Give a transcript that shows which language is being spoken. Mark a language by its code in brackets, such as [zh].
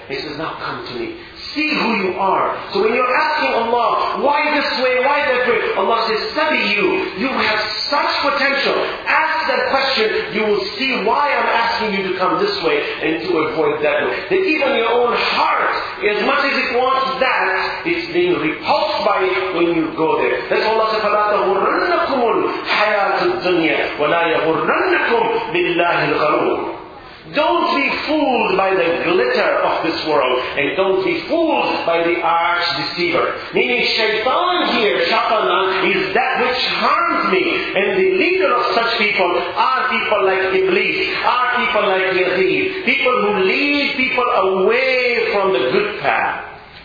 [en] He says, now come to me. See who you are. So when you're asking Allah, why this way, why that way? Allah says, study you. You have such potential. Ask that question. You will see why I'm asking you to come this way and to avoid that way. That even your own heart, as much as it wants that, it's being repulsed by it when you go there. That's Allah says, [ar] فَلَا تَغُرَّنَّكُمُ الْحَيَاةُ الدُّنْيَا وَلَا يَغُرَّنَّكُمْ بِاللَّهِ الْغَرُورِ. [en] Don't be fooled by the glitter of this world, and don't be fooled by the arch deceiver. Meaning shaitan here, shaitan, is that which harms me. And the leader of such people are people like Iblis, are people like Yazid, people who lead people away from the good path.